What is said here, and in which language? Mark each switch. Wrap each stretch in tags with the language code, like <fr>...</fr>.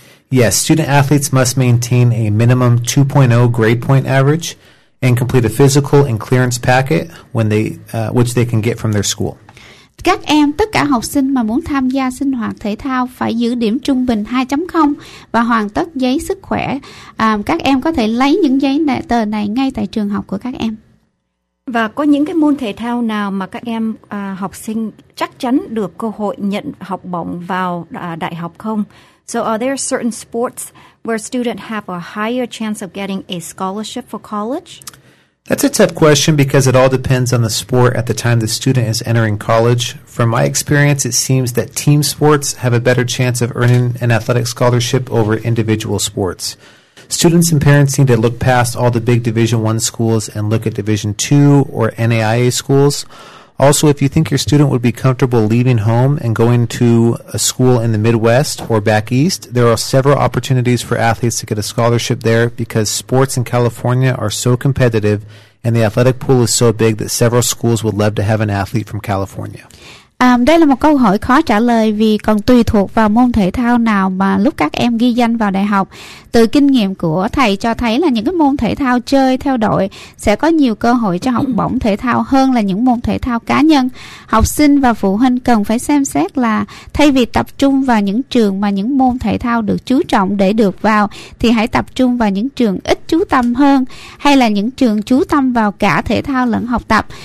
<en>Yes, student athletes must maintain a minimum 2.0 grade point average and complete a physical and clearance packet which they can get from their school.</en> <vi>Các em, tất cả học sinh mà muốn tham gia sinh hoạt thể thao phải giữ điểm trung bình 2.0 và hoàn tất giấy sức khỏe. Các em có thể lấy những giấy tờ này ngay tại trường học của các em. Và có những cái môn thể thao nào mà các em học sinh chắc chắn được cơ hội nhận học bổng vào đại học không?</vi> <en>So are there certain sports where students have a higher chance of getting a scholarship for college? That's a tough question because it all depends on the sport at the time the student is entering college. From my experience, it seems that team sports have a better chance of earning an athletic scholarship over individual sports. Students and parents need to look past all the big Division I schools and look at Division II or NAIA schools. Also, if you think your student would be comfortable leaving home and going to a school in the Midwest or back east, there are several opportunities for athletes to get a scholarship there because sports in California are so competitive and the athletic pool is so big that several schools would love to have an athlete from California.</en> <vi>Đây là một câu hỏi khó trả lời vì còn tùy thuộc vào môn thể thao nào mà lúc các em ghi danh vào đại học. Từ kinh nghiệm của thầy cho thấy là những cái môn thể thao chơi theo đội sẽ có nhiều cơ hội cho học bổng thể thao hơn là những môn thể thao cá nhân. Học sinh và phụ huynh cần phải xem xét là thay vì tập trung vào những trường mà những môn thể thao được chú trọng để được vào thì hãy tập trung vào những trường ít chú tâm hơn hay là những trường chú tâm vào cả thể thao lẫn học tập.</vi>